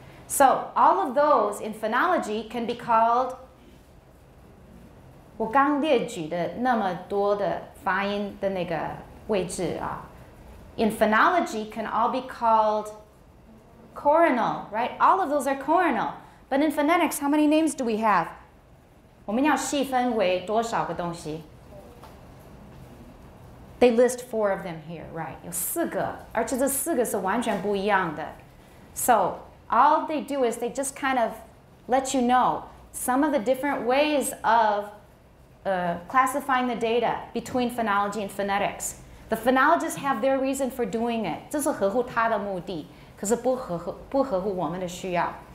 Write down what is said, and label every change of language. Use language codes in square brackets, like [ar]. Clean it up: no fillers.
[en] So all of those in phonology can be called, [zh] 我刚列举的那么多的发音的那个位置啊， [en] in phonology can all be called coronal, right? All of those are coronal. But in phonetics, how many names do we have? [zh] 我们要细分为多少个东西？ [en] They list 4 of them here, right? [zh] 有四个，而且这四个是完全不一样的。 [en] So, all they do is they just kind of let you know some of the different ways of classifying the data between phonology and phonetics. The phonologists have their reason for doing it. [zh] 这是合乎他的目的，可是不合乎我们的需要。